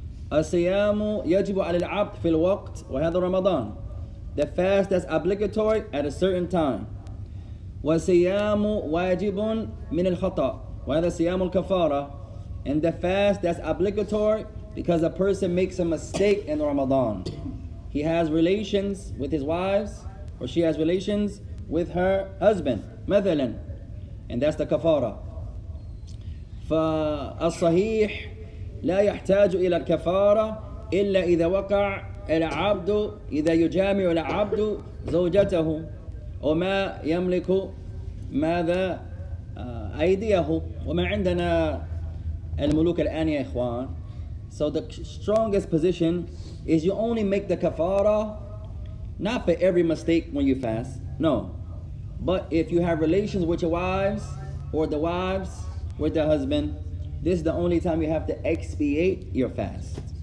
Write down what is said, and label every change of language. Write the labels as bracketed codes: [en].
[ar] الصيام يجب على العبد في الوقت وهذا رمضان. [en] The fast that's obligatory at a certain time. [ar] وصيام واجب من الخطأ وهذا صيام الكفارة. [en] And the fast that's obligatory because a person makes a mistake in Ramadan. He has relations with his wives or she has relations with her husband مثلا. And that's the كفارة. [ar] فالصحيح لا يحتاج إلى الكفارة إلا إذا وقع العبد إذا يجامع العبد زوجته أو ما يملك ماذا أيديه وما عندنا الملوك الآن يا إخوان. [en] So the strongest position is you only make the kafara not for every mistake when you fast, no, but if you have relations with your wives or the wives with the husband, this is the only time you have to expiate your fast.